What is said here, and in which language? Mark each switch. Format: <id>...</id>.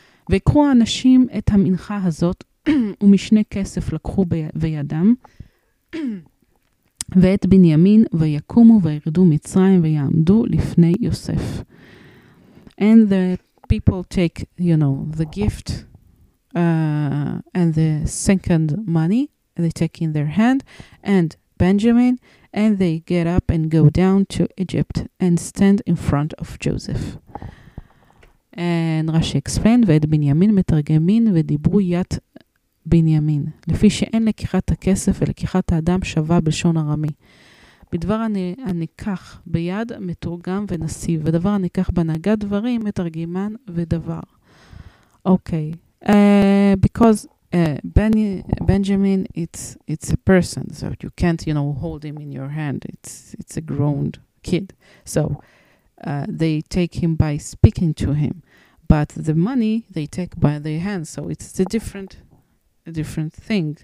<he>ויקחו האנשים את המנחה הזאת, ומשני כסף לקחו בידם ואת בנימין ויקומו וירדו מצרים ויעמדו לפני יוסף.</he> <en>And the people take, you know, the gift and the second money, and they take in their hand and Benjamin, and they get up and go down to Egypt and stand in front of Joseph. And Rashi explained,</en> <he>ואת בנימין מתרגמין ודיברו ית בנימין, לפי שאין לקיחת הכסף ולקיחת האדם שווה בלשון הרמי. בדבר הניקח ביד מתורגם ונסיב, ודבר הניקח בנהגת דברים מתרגימן ודבר.</he> <en>אוקיי, because Benjamin it's a person, so you can't, you know, hold him in your hand, it's a grown kid, so they take him by speaking to him, but the money they take by their hand, so it's a different thing.</en>